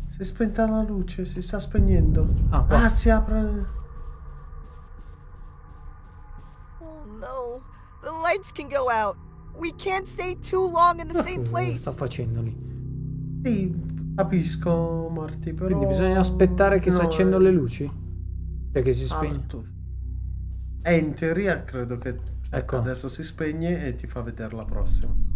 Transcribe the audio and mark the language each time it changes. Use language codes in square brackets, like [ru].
[it] Si è spenta la luce, si sta spegnendo. Ah, qua. Ah, si apre. [en] Oh no, the lights can go out. We can't stay too long in the same place. [it] Sta facendo lì. Sì, capisco, Marty, però... Quindi bisogna aspettare che no, si accendano le luci? Perché si spegne? E in teoria credo che ecco. Adesso si spegne e ti fa vedere la prossima.